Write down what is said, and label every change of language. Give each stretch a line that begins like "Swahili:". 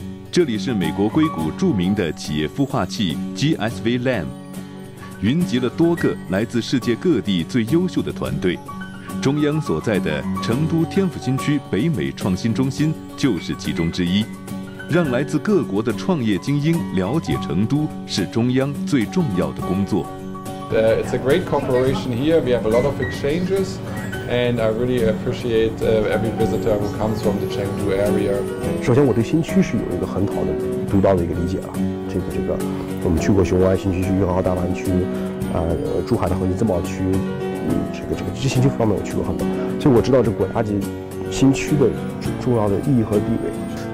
Chinese: 这里是美国硅谷著名的企业孵化器 GSV Lab， 云集了多个来自世界各地最优秀的团队。中央所在的成都天府新区北美创新中心就是其中之一。让来自各国的创业精英了解成都是中央最重要的工作。
English: It's a great corporation here. We have a lot of exchanges, and I really appreciate every visitor who comes from the Chengdu area.
Chinese: 首先，我对新区是有一个很好的、独到的一个理解了。这个，我们去过雄安新区、雍和大兰区，珠海的恒基自贸区，这新区方面我去过很多，所以我知道这国家级新区的重要的意义和地位。